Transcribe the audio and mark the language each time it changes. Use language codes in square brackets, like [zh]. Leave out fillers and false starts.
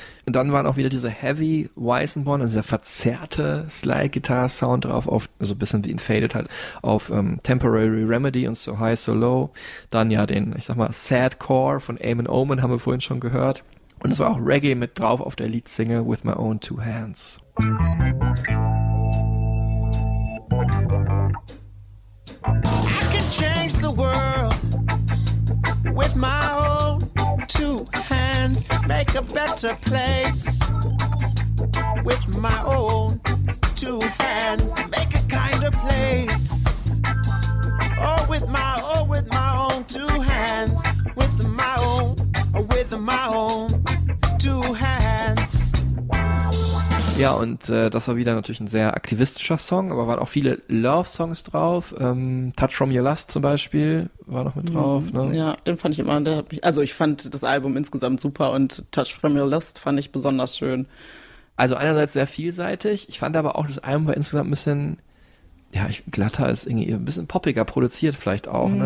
[de] Und dann waren auch wieder diese Heavy Weissenborn, also der verzerrte Slide-Guitar-Sound drauf, auf, so ein bisschen wie in Faded halt, auf Temporary Remedy und So High, So Low. Dann ja den, ich sag mal, Sad Core von Amon Omen haben wir vorhin schon gehört. Und es war auch Reggae mit drauf auf der Lead-Single With My Own Two Hands. [en] I can change the world with my own two hands, make a better place. With my own two hands, make a kinder place. Oh, with my own two hands, with my own, with my own two hands. [de] Ja, und das war wieder natürlich ein sehr aktivistischer Song, aber waren auch viele Love-Songs drauf. Touch From Your Lust zum Beispiel war noch mit drauf. Ne? Ja, den fand ich immer, der hat mich, also ich fand das Album insgesamt super und Touch From Your Lust fand ich besonders schön. Also einerseits sehr vielseitig, ich fand aber auch, das Album war insgesamt ein bisschen, ja, glatter, ist irgendwie ein bisschen poppiger produziert vielleicht auch, ne?